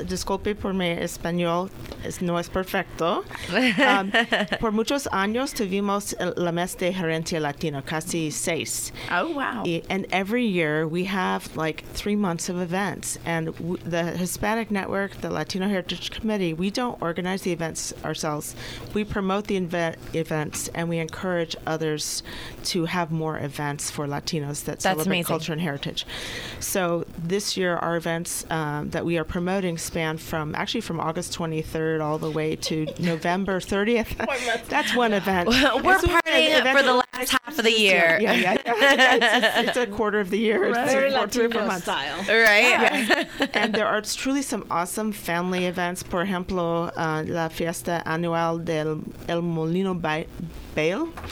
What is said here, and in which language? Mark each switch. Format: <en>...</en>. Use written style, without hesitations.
<es>Disculpe por mi español. No es perfecto. Por muchos años tuvimos la mes de gerencia latina, casi seis.</es> <en>Oh, wow. And every year we have like 3 months of events. And the Hispanic Network, the Latino Heritage Committee, we don't organize the events ourselves. We promote the events and we encourage others to have more events for Latinos that That's celebrate amazing. Culture and heritage. So this year, our events that we are promoting span from actually from August 23rd all the way to November 30th. That's one event. We're partying for the last half of the year. Yeah. It's a quarter of the year. Right. Very Latino style. Right. Yeah. And there are truly some awesome family events.</en> <es>Por ejemplo, la fiesta anual del El Molino Bale.</es>